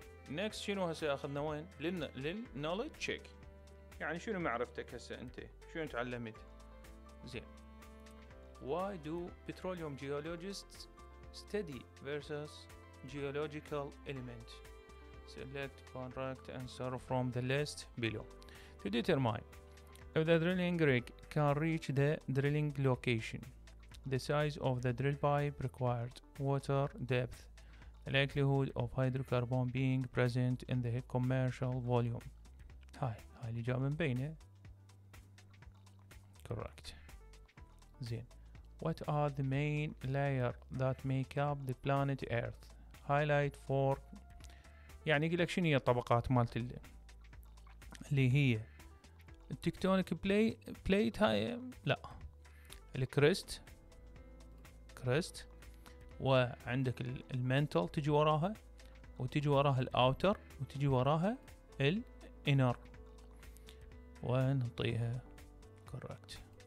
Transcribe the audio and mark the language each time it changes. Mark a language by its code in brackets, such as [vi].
[ar] Next, شنو هسه أخذنا وين؟ لل knowledge check. يعني شنو معرفتك هسه أنت؟ شنو تعلمت؟ زين. [en] Why do petroleum geologists study versus geological element? Select correct answer from the list below to determine if the drilling rig can reach the drilling location, the size of the drill pipe required, water depth, likelihood of hydrocarbon being present in the commercial volume. [ar] هاي الإجابة مبينة. [en] Correct. [ar] زين. [en] What are the main layer that make up the planet Earth? Highlight four. [ar] يعني يقول لك شنو هي الطبقات مالت اللي هي التكتونيك بليت هاي لا الكريست كريست وعندك المنتل تجي وراها وتجي وراها الاوتر وتجي وراها الانر ونعطيها كوركت